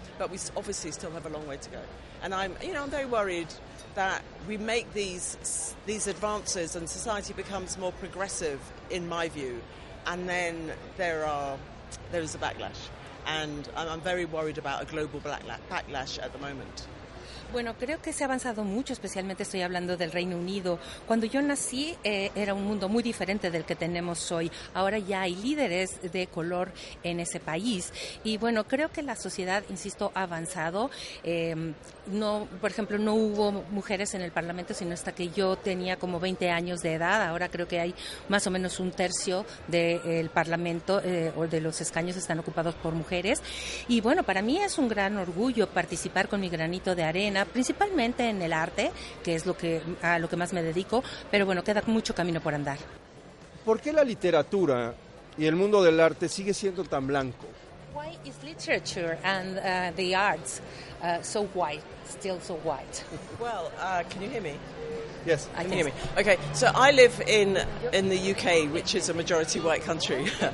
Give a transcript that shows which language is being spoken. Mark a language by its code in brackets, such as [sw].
[en] But we obviously still have a long way to go. And I'm very worried that we make these advances and society becomes more progressive, in my view, and then there is a backlash. And I'm very worried about a global backlash at the moment. [es] Bueno, creo que se ha avanzado mucho, especialmente estoy hablando del Reino Unido. Cuando yo nací, era un mundo muy diferente del que tenemos hoy. Ahora ya hay líderes de color en ese país. Y bueno, creo que la sociedad, insisto, ha avanzado. No, por ejemplo, no hubo mujeres en el Parlamento sino hasta que yo tenía como 20 años de edad. Ahora creo que hay más o menos un tercio del Parlamento o de los escaños están ocupados por mujeres. Y bueno, para mí es un gran orgullo participar con mi granito de arena, principalmente en el arte, que es a lo que más me dedico, pero bueno, queda mucho camino por andar. ¿Por qué la literatura y el mundo del arte sigue siendo tan blanco? [en] Why is literature and the arts so white, still so white? Well, can you hear me? Yes, I can hear me. Okay, so I live in the UK, which is a majority white country.